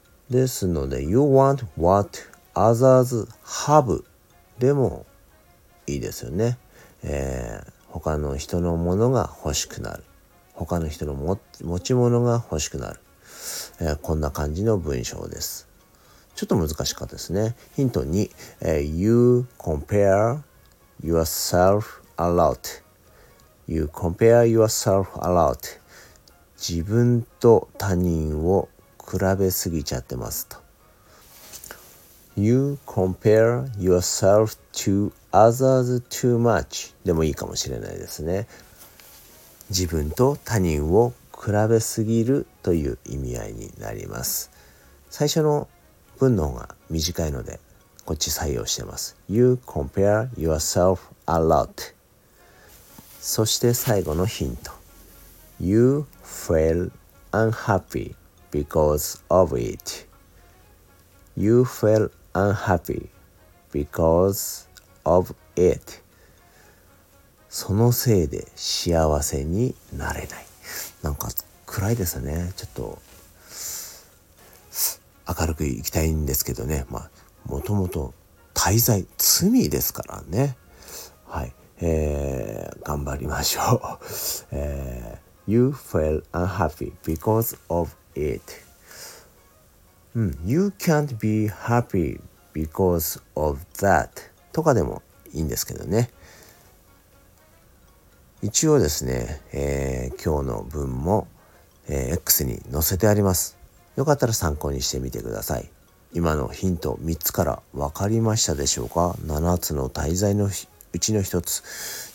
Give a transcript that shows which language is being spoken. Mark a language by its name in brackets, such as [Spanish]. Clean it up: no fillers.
[Japanese] ですので、 [English] You want what others have [Japanese] でもいいですよね。他の人のものが欲しくなる。他の人の持ち物が欲しくなる。こんな感じの文章です。ちょっと難しかったですね。ヒント2、 [English] You compare yourself a lot。 You compare yourself a lot。 [Japanese] 自分と他人を比べすぎちゃってますと。 [English] You compare yourself to others too much [Japanese] でもいいかもしれないですね。自分と他人を比べすぎるという意味合いになります。最初の文の方が短いのでこっち採用してます。 [English] You compare yourself a lot。 [Japanese] そして最後のヒント、 [English] You feel unhappy because of it. You feel unhappy because of it. [Japanese] そのせいで幸せになれない。なんか暗いですね。ちょっと明るくいきたいんですけどね。まあもともと滞在、罪ですからね。はい。頑張りましょう。 [English] You feel unhappy because of it. You can't be happy because of that. [Japanese] とかでもいいんですけどね。一応ですね、今日の文も、X に載せてあります。よかったら参考にしてみてください。今のヒント3つから分かりましたでしょうか？7つの大罪のうちの一つ。